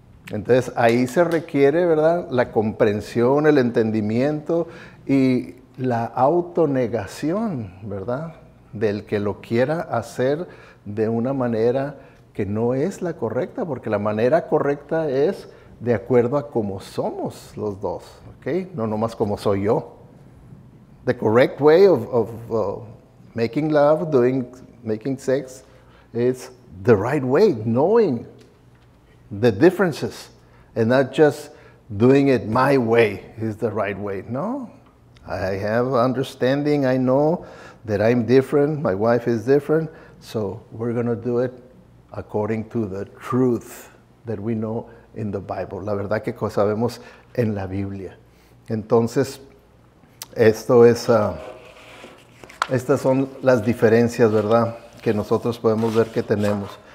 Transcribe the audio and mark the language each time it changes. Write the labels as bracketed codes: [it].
[es] Entonces, ahí se requiere, ¿verdad?, la comprensión, el entendimiento y la autonegación, ¿verdad?, del que lo quiera hacer de una manera que no es la correcta, porque la manera correcta es de acuerdo a cómo somos los dos, ¿ok? No nomás como soy yo. [en] The correct way of making love, making sex, is the right way, knowing the differences and not just doing it my way is the right way. No, I have understanding, I know that I'm different, my wife is different, so we're going to do it according to the truth that we know in the Bible. [es] La verdad que sabemos en la Biblia. Entonces, esto es, estas son las diferencias, ¿verdad?, que nosotros podemos ver que tenemos.